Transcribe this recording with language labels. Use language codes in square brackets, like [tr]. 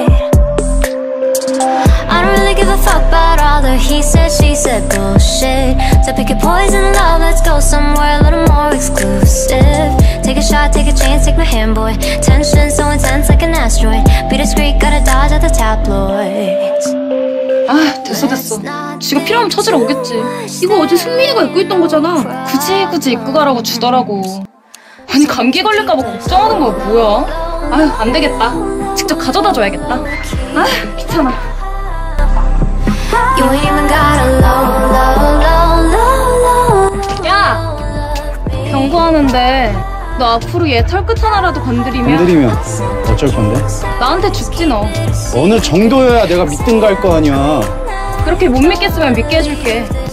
[en] don't really give a fuck about all the he said, she said bullshit. So pick your poison, love, let's go somewhere a little more exclusive. Take a shot, take a chance, take my hand, boy. Tension so intense like an asteroid. Be discreet, gotta dodge at the tabloids. [ko] 아, 됐어 됐어. 지가 필요하면 찾으러 오겠지. 이거 어제 승민이가 입고 있던 거잖아. 굳이 굳이 입고 가라고 주더라고. 아니 감기 걸릴까봐 걱정하는 거야 뭐야. 아휴 안되겠다. 직접 가져다 줘야겠다. 아 귀찮아. [en] You ain't even got a low, low, low, low, low. [ko] 야! 경고하는데 너 앞으로 얘 털끝 하나라도 건드리면 어쩔 건데? 나한테 죽지 너. 어느 정도여야 내가 믿든가 할 거 아니야. 그렇게 못 믿겠으면 믿게 해줄게.